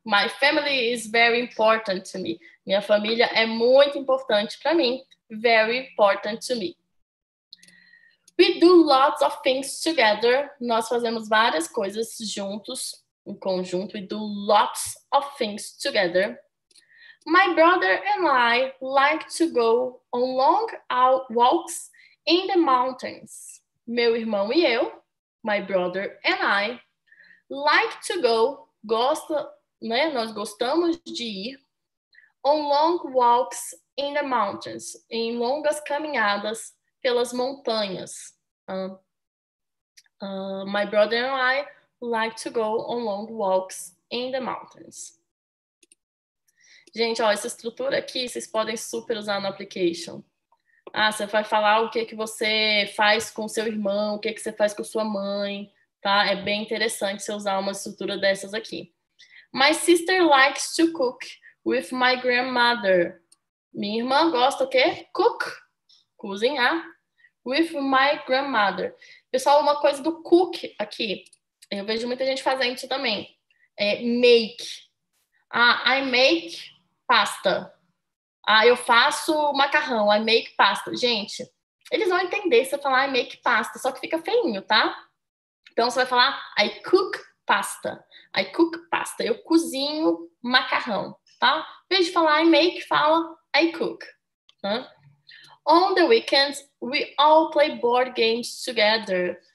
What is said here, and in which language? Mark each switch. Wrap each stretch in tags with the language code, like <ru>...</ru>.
<en>My family is very important to me.</en> <pt>Minha família é muito importante para mim.</pt> <en>Very important to me. We do lots of things together.</en> <pt>Nós fazemos várias coisas juntos, em conjunto.</pt> <en>We do lots of things together. My brother and I like to go on long walks in the mountains.</en> <pt>Meu irmão e eu,</pt> <en>my brother and I, like to go,</en> <pt>gosta, né? Nós gostamos de ir</pt> <en>on long walks in the mountains,</en> <pt>em longas caminhadas pelas montanhas.</pt> <en>My brother and I like to go on long walks in the mountains.</en> <pt>Gente, ó, essa estrutura aqui vocês podem super usar no application. Ah, você vai falar o que que você faz com seu irmão, o que que você faz com sua mãe, tá? É bem interessante você usar uma estrutura dessas aqui.</pt> <en>My sister likes to cook with my grandmother.</en> <pt>Minha irmã gosta o quê? Cook, cozinhar,</pt> <en>with my grandmother.</en> <pt>Pessoal, uma coisa do cook aqui, eu vejo muita gente fazendo isso também, é make.</pt> <en>Ah, I make pasta. Ah,</en> <pt>eu faço macarrão,</pt> <en>I make pasta.</en> <pt>Gente, eles vão entender se eu falar</pt> <en>I make pasta,</en> <pt>só que fica feinho, tá? Então, você vai falar</pt> <en>I cook pasta. I cook pasta.</en> <pt>Eu cozinho macarrão, tá? Em vez de falar</pt> <en>I make,</en> <pt>fala</pt> <en>I cook. On the weekends, we all play board games together.</en>